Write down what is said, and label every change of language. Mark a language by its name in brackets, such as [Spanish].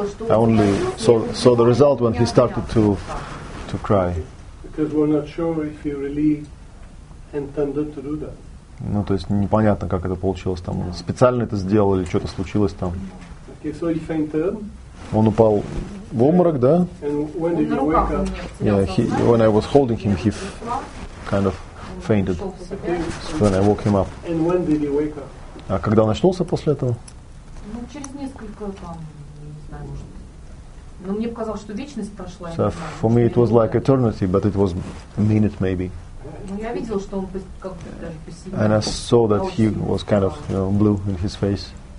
[English] I only saw the result when he started to cry. Because we're not sure if he really intended to do that. [Russian] Ну, то есть непонятно, как это получилось там. Специально это сделал или что-то случилось там. [English] Okay, so he fainted. [Russian] Он упал в обморок, да? [English] And when did he wake up? Yeah, when I was holding him, he kind of fainted. So when I woke him up. And when did he wake up? [Russian] А когда он очнулся после этого? Ну, через несколько там, не знаю, может. Но мне показалось, что вечность прошла. [English] So for me it was like eternity, but it was a minute maybe. And I saw that he was kind of, you know, blue in his face.